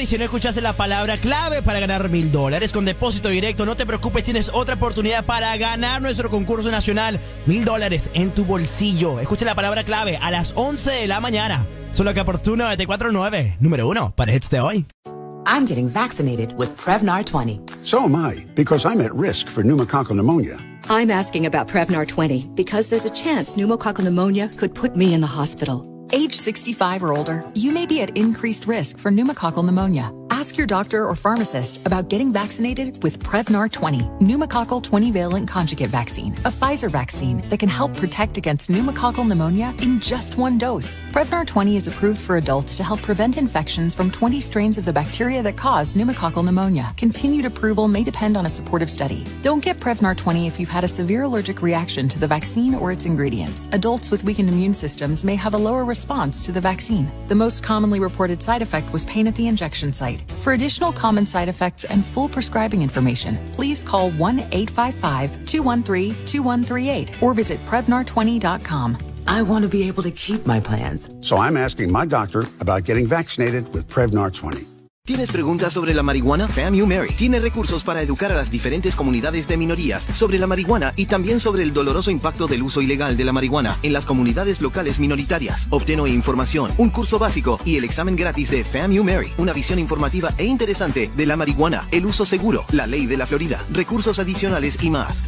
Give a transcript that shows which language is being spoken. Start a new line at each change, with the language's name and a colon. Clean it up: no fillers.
Spanish: Y si no escuchaste la palabra clave para ganar $1,000 con depósito directo, no te preocupes, tienes otra oportunidad para ganar nuestro concurso nacional. $1,000 en tu bolsillo. Escucha la palabra clave a las 11 de la mañana. Solo que por tu 94.9, número 1 para hits de hoy.
English: I'm getting vaccinated with Prevnar 20. So am I, because I'm at risk for pneumococcal pneumonia. I'm asking about Prevnar 20 because there's a chance pneumococcal pneumonia could put me in the hospital. Age 65 or older, you may be at increased risk for pneumococcal pneumonia. Ask your doctor or pharmacist about getting vaccinated with Prevnar 20, pneumococcal 20-valent conjugate vaccine, a Pfizer vaccine that can help protect against pneumococcal pneumonia in just one dose. Prevnar 20 is approved for adults to help prevent infections from 20 strains of the bacteria that cause pneumococcal pneumonia. Continued approval may depend on a supportive study. Don't get Prevnar 20 if you've had a severe allergic reaction to the vaccine or its ingredients. Adults with weakened immune systems may have a lower response to the vaccine. The most commonly reported side effect was pain at the injection site. For additional common side effects and full prescribing information, please call 1-855-213-2138 or visit Prevnar20.com. I want to be able to keep my plans. So I'm asking my doctor about getting vaccinated with Prevnar 20.
Spanish: ¿Tienes preguntas sobre la marihuana? FAMU Mary tiene recursos para educar a las diferentes comunidades de minorías sobre la marihuana y también sobre el doloroso impacto del uso ilegal de la marihuana en las comunidades locales minoritarias. Obtén hoy información, un curso básico y el examen gratis de FAMU Mary, una visión informativa e interesante de la marihuana, el uso seguro, la ley de la Florida, recursos adicionales y más.